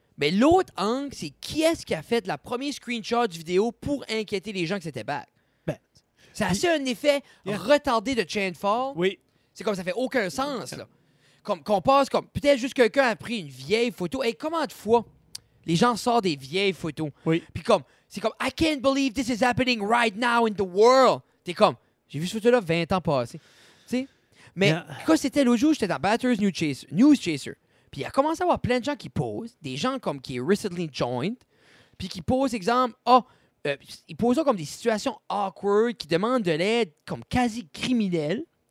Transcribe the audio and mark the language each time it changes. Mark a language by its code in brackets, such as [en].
[fr] Mais l'autre angle, c'est qui est-ce qui a fait la première screenshot du vidéo pour inquiéter les gens que c'était back? Ben, c'est assez un effet retardé de Chainfall. Oui. C'est comme ça fait aucun sens, là. Comme qu'on passe comme. Peut-être juste quelqu'un a pris une vieille photo. Hey, comment de fois les gens sortent des vieilles photos? Oui. Puis comme, c'est comme, [en] I can't believe this is happening right now in the world. [fr] T'es comme, j'ai vu cette photo-là 20 ans passés. Tu sais? Mais, quand c'était l'autre jour, j'étais dans Batters News Chaser. Puis il a commencé à avoir plein de gens qui posent. Des gens comme qui est [en] recently joined. [fr] Puis qui posent, exemple, ils posent comme des situations awkward qui demandent de l'aide comme quasi criminelle.